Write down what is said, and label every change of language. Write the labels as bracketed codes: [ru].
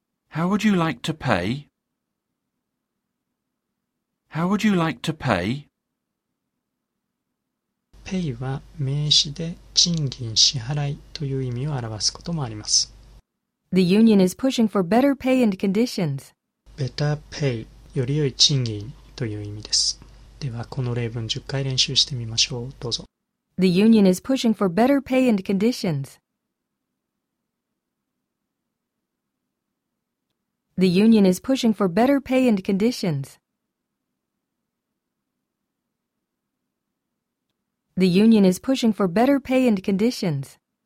[en] How would you like to pay? How would you like to pay? [ja] Pay は名詞で賃金支払いという意味を表すこともあります。 [en] The union is pushing for better pay and conditions. [ja] Better pay、より良い賃金という意味です。ではこの例文10回練習してみましょう。どうぞ。 [en] The union is pushing for better pay and conditions. The union is pushing for better pay and conditions. The union is pushing for better pay and conditions.